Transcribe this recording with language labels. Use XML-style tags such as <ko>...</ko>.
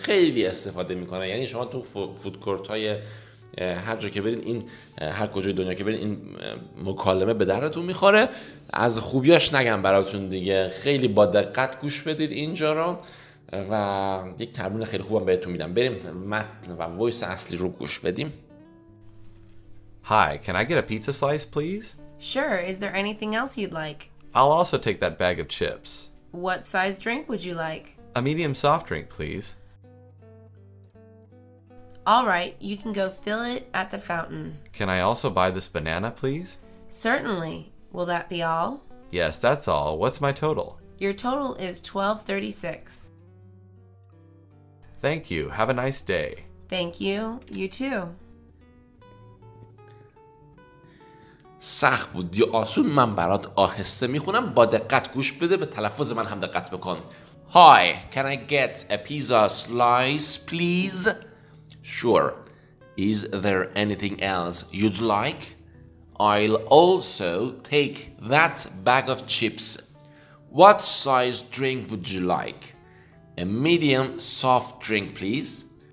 <fa>خیلی استفاده میکنه، یعنی شما تو فود کورت های هر جا که برین، این هر کجای دنیا که برین، این مکالمه به دردتون میخوره. از خوبیاش نگم براتون دیگه، خیلی با دقت گوش بدید اینجا را و یک تمرین خیلی خوبم بهتون میدم. بریم متن و وایس اصلی رو گوش بدیم.</fa> <en>Hi, can I get a pizza slice please? Sure, is there anything else you'd like? I'll also take that bag of chips. What size drink would you like? A medium soft drink please. All right, you can go fill it at the fountain. Can I also buy this banana, please? Certainly. Will that be all? Yes, that's all. What's my total? Your total is $12.36. Thank you. Have a nice day. Thank you. You too.</en> <fa>سخت بود یا آسون؟ من برات آهسته میخونم، با دقت گوش بده، به تلفظ من هم دقت بکن.</fa> <en>Hi, can I get a pizza slice, please? Sure. Is there anything else you'd like? I'll also take that bag of chips. What size drink would you like? A medium soft drink, please.</en>